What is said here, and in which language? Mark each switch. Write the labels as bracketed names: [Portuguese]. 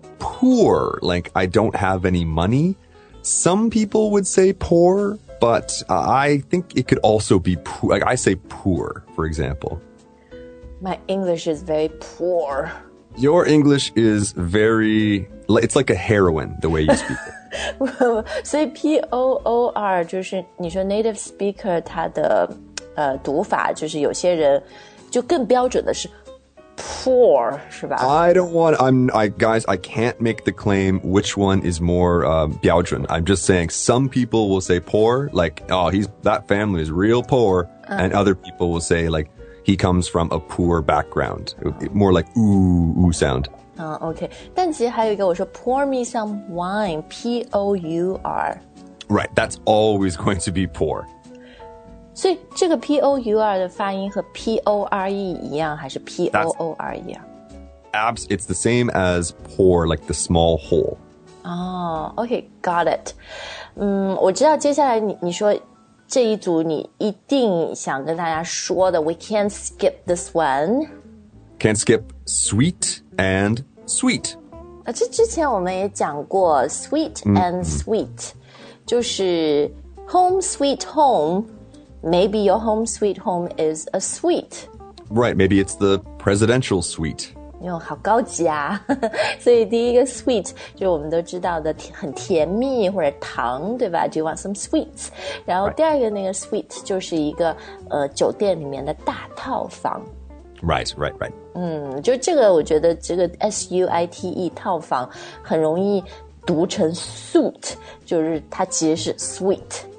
[English] Poor, like I don't have any money. Some people would say poor, but I think it could also be poor. Like I say poor, for example. My English is very poor. Your English is very, it's like a heroin, the way you speak it. [Chinese] 所以 P-O-O-R 就是你说 native speaker 它的读法就是有些人就更标准的是Poor, 是吧? [English] I don't want, I can't make the claim which one is more, 标准. I'm just saying some people will say poor, like, oh, that family is real poor. And other people will say, like, he comes from a poor background. More like, ooh, ooh sound. Okay. [Chinese] 但其实还有一个我说 [English] pour me some wine, [Chinese] P-O-U-R. [English] Right. That's always going to be poor. [Chinese] 所以这个 P-O-U-R 的发音和 P-O-R-E 一样还是 P-O-O-R-E 啊 [English] It's the same as pour, like the small hole. Okay, got it. [Chinese] 我知道接下来 你说这一组你一定想跟大家说的 [English] We can't skip this one. Can't skip sweet and sweet. [Chinese] 这之前我们也讲过 sweet and sweet. [English] 就是 home sweet home. Maybe your home sweet home is a suite. Right, maybe it's the presidential suite. [Chinese] 哟，好高级啊！所以第一个 suite 就我们都知道的很甜蜜或者糖，对吧？ [English] Do you want some sweets? [Chinese] 然后第二个那个 suite 就是一个酒店里面的大套房。 [English] Right. [Chinese] 就这个我觉得这个 suite 套房很容易读成 suite， 就是它其实是 suite.